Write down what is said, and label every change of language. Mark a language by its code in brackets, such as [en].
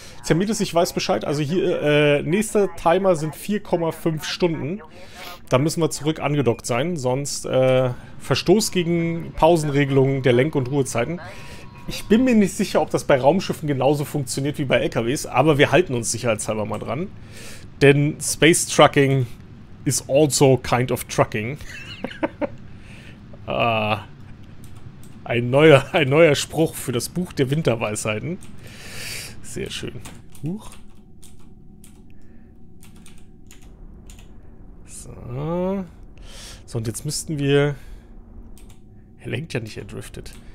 [de] Zermittis, ich weiß Bescheid. Also hier, nächster Timer sind 4,5 Stunden. Da müssen wir zurück angedockt sein, sonst Verstoß gegen Pausenregelungen der Lenk- und Ruhezeiten. Ich bin mir nicht sicher, ob das bei Raumschiffen genauso funktioniert wie bei LKWs, aber wir halten uns sicherheitshalber mal dran. [en] Denn Space Trucking is also kind of trucking. [de] Ah, ein neuer Spruch für das Buch der Winterweisheiten. Sehr schön. Huch. So. So, und jetzt müssten wir. Er lenkt ja nicht, er driftet.